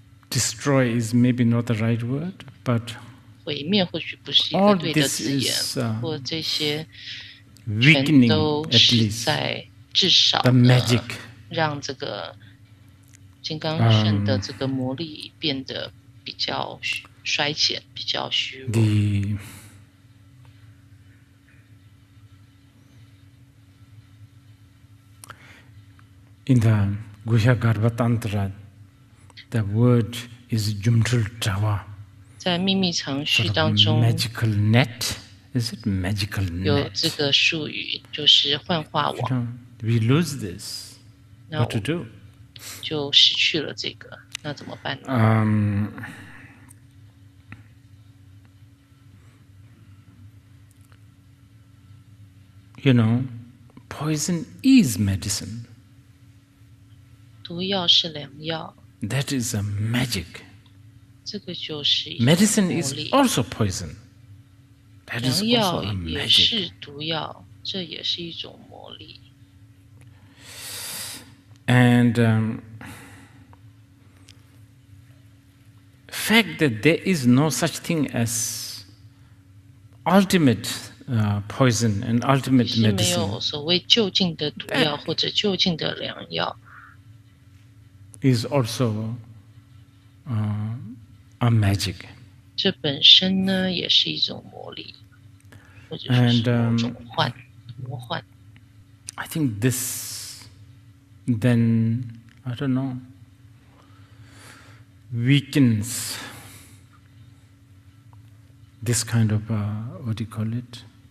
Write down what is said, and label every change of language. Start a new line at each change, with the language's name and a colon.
English: destroy is maybe not the right word, but.
Chinese: 毁灭或许不是一个对的字眼，或这些全都是在至少呢，让这个金刚圈的这个魔力变得比较衰减，比较虚弱。
English: The in the Guhyagarbha Tantra, the word is Jumtul Jawa.
Chinese: 在秘密藏序当中
English: magical net? Is it magical net?
Chinese: 有这个术语就是幻化网
English: you know, We lose this What to do?
Chinese: 就失去了这个那怎么办呢、
English: You know Poison is medicine
Chinese: 毒药是良药
English: That is a magic
Chinese: 这个就是一个
English: Medicine is also poison. That is also a magic.
Chinese: 良药也是毒药，这也是一种魔力。
English: And fact that there is no such thing as ultimate poison and ultimate medicine.
Chinese: 没有所谓究竟的毒药或者究竟的良药。
English: Is also A magic.
Chinese: 这本身呢也是一种魔力，或者是一种魔幻。
English: I think this, then, I don't know, weakens this kind of, what do you call it?